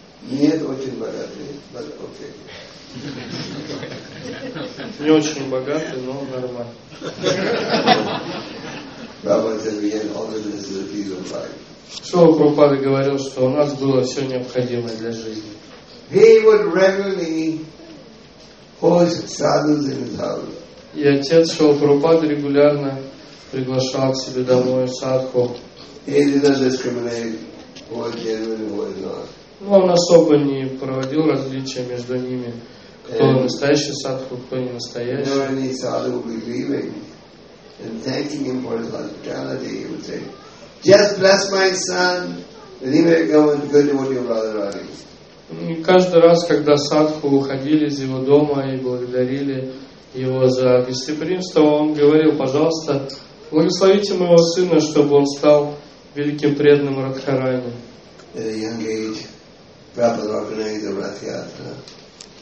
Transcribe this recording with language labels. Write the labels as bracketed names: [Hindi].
[Russian] Нет, очень богатый. Не очень богатый, но нормально. Шрила Прабхупада говорил, что у нас было все необходимое для жизни. [English] He would regularly host sadhus in his house. [Russian] И отец Шрилы Прабхупады регулярно приглашал к себе домой садху. [English] He did not discriminate who was genuine and who was not. [Russian] Но он особо не проводил различия между ними, кто настоящий садху, кто не настоящий. [English] When any sadhu would be leaving and thanking him for his hospitality, he would say, "Just bless my son, and he may go and good to what your brother Rani." [Russian] И каждый раз, когда садху уходили из его дома и благодарили его за гостеприимство, он говорил: «Пожалуйста, благословите моего сына, чтобы он стал великим преданным Радхарани». [English] At a young age, Prabhupada organized a Rath Yatra